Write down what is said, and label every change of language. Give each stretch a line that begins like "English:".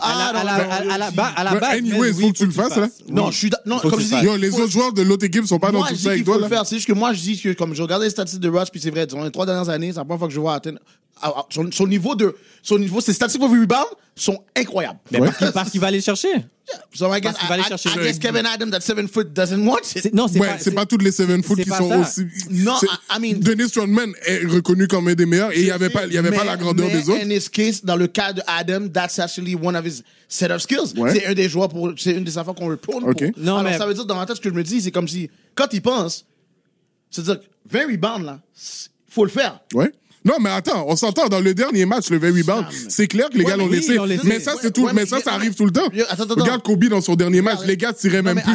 French: À la base. Anyway, il faut que tu le fasses, là. Non, je suis. Non, comme je dis. Les autres joueurs de l'autre équipe sont pas dans tout ça avec toi. Il faut le faire. C'est juste que moi, je dis que comme je regardais les statistiques de Rush, puis c'est vrai, dans les trois dernières années, c'est la première fois que je vois atteindre. Son niveau, ses statistiques pour rebound sont incroyables. Mais parce qu'il va aller chercher.
English: So I guess, I guess Kevin Adams, that 7 foot, doesn't want it.
French: C'est pas toutes les 7 foot qui sont ça. Aussi.
English: Non, I mean.
French: Dennis Rodman est reconnu comme un des meilleurs et il n'y avait pas la grandeur des autres.
English: In his case,
French: dans le cas de Adam,
English: that's actually one of his set of skills.
French: Ouais. C'est une des affaires qu'on retourne.
English: Okay.
French: Alors ça veut dire, dans ma tête, ce que je me dis, c'est comme si, quand il pense, c'est-à-dire, 20 rebounds, là, il faut le faire. Ouais. Non, mais attends, on s'entend, dans le dernier match, le 20 rebound, c'est clair que les gars l'ont laissé. Mais ça, c'est tout, mais ça arrive tout le temps. Regarde Kobe dans son dernier match, les gars tiraient même plus.